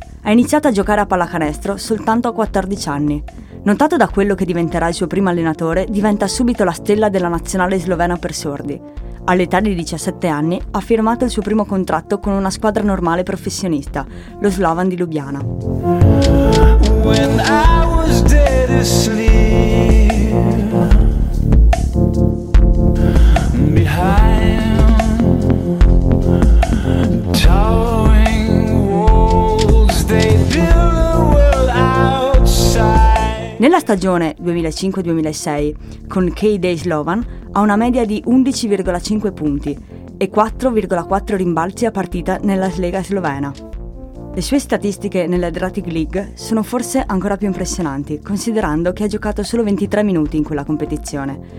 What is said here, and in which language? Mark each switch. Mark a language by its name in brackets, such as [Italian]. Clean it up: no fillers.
[Italian] Ha iniziato a giocare a pallacanestro soltanto a 14 anni. Notato da quello che diventerà il suo primo allenatore, diventa subito la stella della nazionale slovena per sordi. All'età di 17 anni ha firmato il suo primo contratto con una squadra normale professionista, lo Slovan di Lubiana. [English] When I was dead asleep, behind towering walls, they build a world outside. [Italian] Nella stagione 2005-2006 con KD Slovan ha una media di 11,5 punti e 4,4 rimbalzi a partita nella Slega slovena. Le sue statistiche nella Adriatic League sono forse ancora più impressionanti, considerando che ha giocato solo 23 minuti in quella competizione.